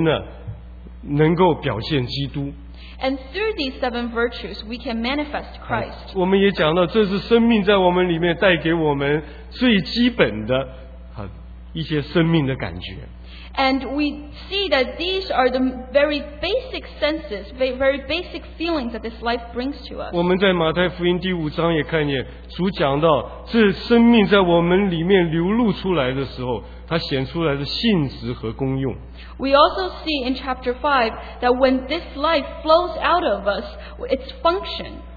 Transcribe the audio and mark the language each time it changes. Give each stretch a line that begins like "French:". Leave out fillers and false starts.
Chinese: 在这七种的美德里面，我们呢，能够表现基督。
English: And through these seven virtues, we can manifest Christ.
Chinese: 我们也讲到，这是生命在我们里面带给我们最基本的一些生命的感觉。
English: And we see that these are the very basic senses, very basic feelings that this life brings to us.
Chinese: 我们在马太福音第五章也看见，主讲到这生命在我们里面流露出来的时候，它显出来的性质和功用。
English: We also see in chapter 5 that when this life flows out of us, its function.